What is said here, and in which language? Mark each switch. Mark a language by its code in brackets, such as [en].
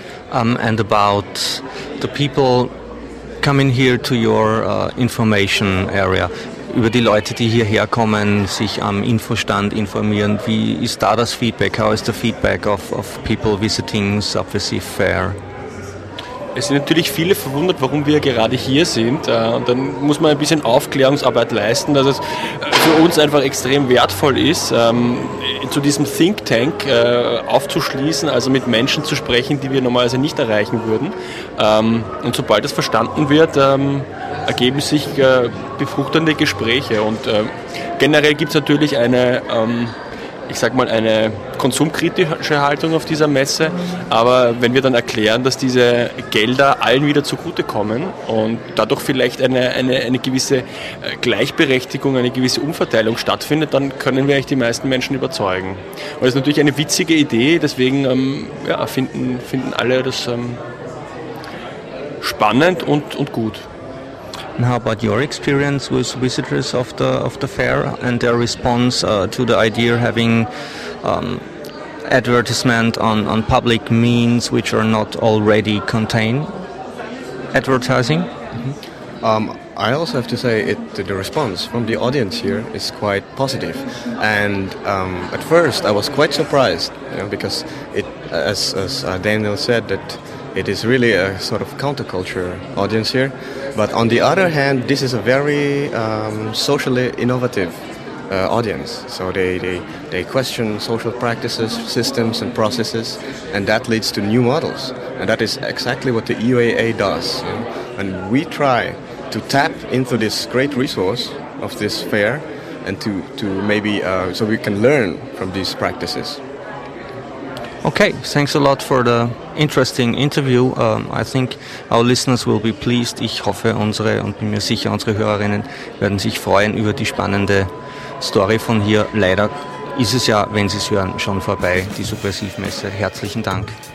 [en] And about the people coming here to your information area, [de] über die Leute, die hierher kommen, sich am Infostand informieren. Wie ist da das Feedback? [en] How is the feedback of people visiting Subversive Fair? [de] Es sind natürlich viele verwundert, warum wir gerade hier sind. Und dann muss man ein bisschen Aufklärungsarbeit leisten, dass es für uns einfach extrem wertvoll ist, zu diesem Think Tank aufzuschließen, also mit Menschen zu sprechen, die wir normalerweise nicht erreichen würden. Und sobald das verstanden wird, ergeben sich befruchtende Gespräche. Und generell gibt es natürlich eine ich sag mal, eine konsumkritische Haltung auf dieser Messe. Aber wenn wir dann erklären, dass diese Gelder allen wieder zugutekommen und dadurch vielleicht eine gewisse Gleichberechtigung, eine gewisse Umverteilung stattfindet, dann können wir eigentlich die meisten Menschen überzeugen. Und das ist natürlich eine witzige Idee, deswegen finden alle das spannend und gut. [en] And how about your experience with visitors of the fair and their response to the idea of having advertisement on public means which are not already contained advertising? Mm-hmm. I also have to say the response from the audience here is quite positive. And at first I was quite surprised, you know, because it, as Daniel said, that it is really a sort of counterculture audience here. But on the other hand, this is a very socially innovative audience. So they question social practices, systems and processes, and that leads to new models. And that is exactly what the EUAA does. You know? And we try to tap into this great resource of this fair and to maybe so we can learn from these practices. Okay, thanks a lot for the interesting interview. I think our listeners will be pleased. [de] Ich hoffe, unsere und bin mir sicher, unsere Hörerinnen werden sich freuen über die spannende Story von hier. Leider ist es ja, wenn Sie es hören, schon vorbei, die Subversivmesse. Herzlichen Dank.